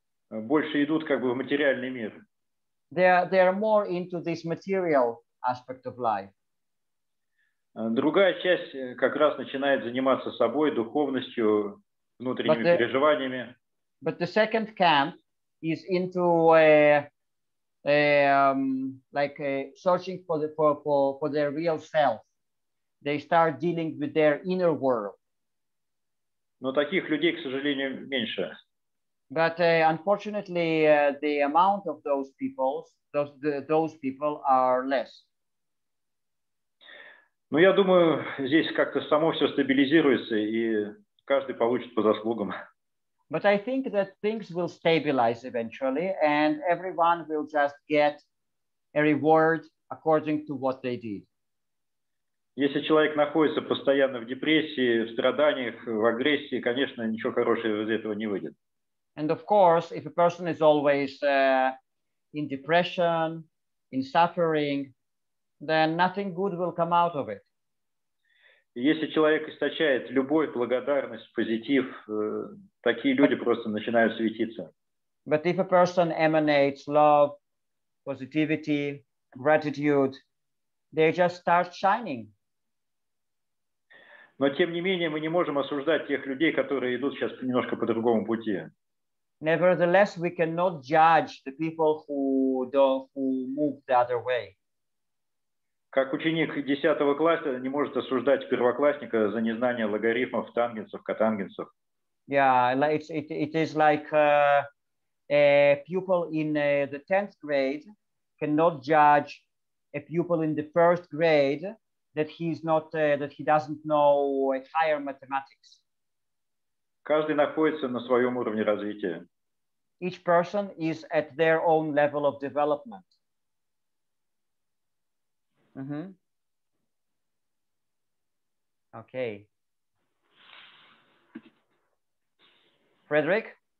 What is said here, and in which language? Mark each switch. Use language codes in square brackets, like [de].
[ru] Больше идут как бы в материальный мир. [en] They are more into this material aspect of life. [ru] Другая часть как раз начинает заниматься собой, духовностью, внутренними переживаниями. [en] But the second camp is into searching for the for their real self. They start dealing with their inner world. [ru] Но таких людей, к сожалению, меньше. [en] But unfortunately, the amount of those people, those people are less. [ru] Ну, я думаю, здесь как-то само все стабилизируется, и каждый получит по заслугам. [en] But I think that things will stabilize eventually, and everyone will just get a reward according to what they did. [ru] Если человек находится постоянно в депрессии, в страданиях, в агрессии, конечно, ничего хорошего из этого не выйдет. [en] And of course, if a person is always in depression, in suffering, then nothing good will come out of it. [ru] Если человек источает любовь, благодарность, позитив, такие люди просто начинают светиться. [en] But if a person emanates love, positivity, gratitude, they just start shining. [ru] Но тем не менее мы не можем осуждать тех людей, которые идут сейчас немножко по другому пути. [en] Nevertheless, we cannot judge the people who move the other way. [ru] Как ученик 10 класса не может осуждать первоклассника за незнание логарифмов, тангенсов, котангенсов. [en] Yeah, it is like a pupil in the 10th grade cannot judge a pupil in the first grade that he's not that he doesn't know higher mathematics. [ru] Каждый находится на своем уровне развития. [en] Each person is at their own level of development. Mm-hmm. Okay. Frederick?